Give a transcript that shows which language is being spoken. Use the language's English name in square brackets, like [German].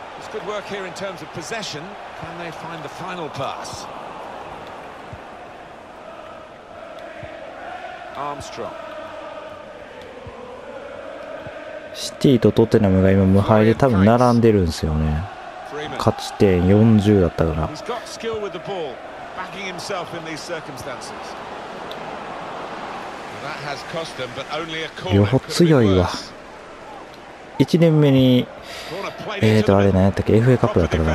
[English] Good work here in terms of possession. Can they find the final pass? Armstrong. [Japanese] City とトッテナムが今無敗で多分並んでるんですよね。勝ち点40だったから。 [English] He's got skill with the ball, backing himself in these circumstances. That has cost them, but only a corner. [Japanese] よほ強いわ。 1年目に、あれ何やったっけ FA カップだったかな。